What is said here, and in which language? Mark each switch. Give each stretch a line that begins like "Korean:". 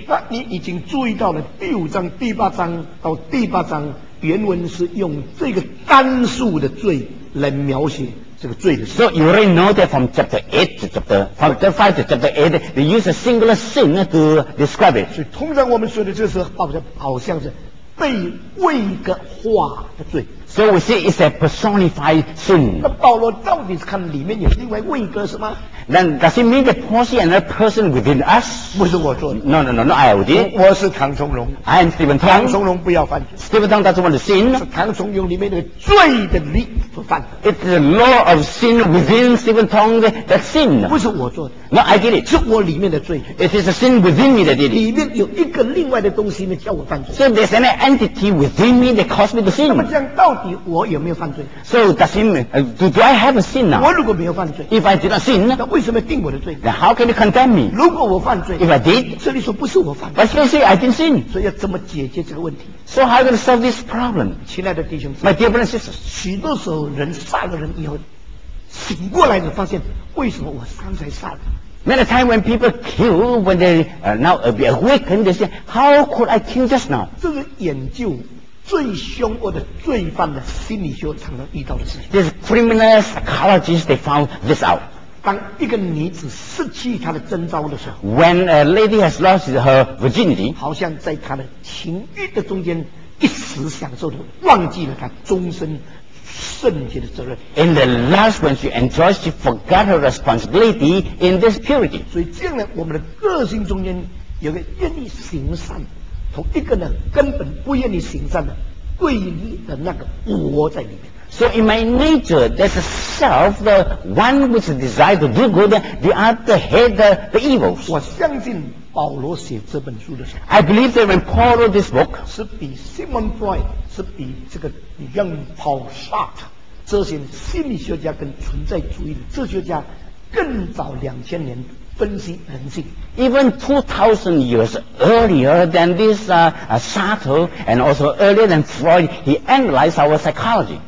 Chinese: 那你已经注意到了第五章第八章到第八章原文是用这个单数的罪来描写这个罪的事。
English: So you already know that from chapter 8 to chapter, from chapter 5 to chapter 8, they use a singular sin to describe it.
Chinese: 所以通常我们说的这是好像是被位格化的罪。
English: So we say it's a personified sin.
Chinese: 那保罗到底是看里面有另外位格是吗？
English: Then does it mean that Paul see another person within us?
Chinese: 不是我做的。
English: No, I did.
Chinese: 我是唐崇荣。
English: I am Stephen Tong.
Chinese: 唐崇荣不要犯罪。
English: Stephen Tong doesn't want to sin.
Chinese: 是唐崇荣里面的罪的力所犯的。
English: It's the law of sin within Stephen Tong that sin.
Chinese: 不是我做的。
English: No, I did it.
Chinese: 是我里面的罪。
English: It is a sin within me that did it.
Chinese: 里面有一个另外的东西叫我犯罪。
English: So there's an entity within me that caused me to sin.
Chinese: 那么这样到底我有没有犯罪？
English: So does it mean, do I have a sin now?
Chinese: 我如果没有犯罪，
English: if I did not sin,
Chinese: 那为什么定我的罪？
English: Then how can you condemn me?
Chinese: 如果我犯罪，
English: if I did,
Chinese: 这里说不是我犯罪，
English: but still say I didn't sin.
Chinese: 所以要怎么解决这个问题？
English: So how can I solve this problem?
Chinese: 亲爱的弟兄，
English: my dear brothers and sisters,
Chinese: 许多时候人杀了人以后醒过来就发现，为什么我刚才杀了？
English: Many times when people kill, when they now be awakened, they say, how could I kill just now?
Chinese: 这个研究最凶恶的罪犯的心理学常常遇到的事情。
English: This criminal psychologist, they found this out.
Chinese: 当一个女子失去她的贞操的时候，
English: when a lady has lost her virginity,
Chinese: 好像在她的情欲的中间一时享受的忘记了她终身圣洁的责任。
English: In the last, when she enjoys, she forgot her responsibility in this purity.
Chinese: 所以这样呢，我们的个性中间有个愿意行善，同一个呢根本不愿意行善的对立的那个我在里面。
English: So in my nature, there's a self, the one which desire to do good, the other hate the evils.
Chinese: 我相信保罗写这本书的时候，
English: I believe that when Paul wrote this book,
Chinese: 是比 Sigmund Freud, 是比这个 Jean Paul Sartre 这些心理学家跟存在主义的哲学家更早两千年分析人性。
English: Even 2000 years earlier than this Sartre and also earlier than Freud, he analyzed our psychology.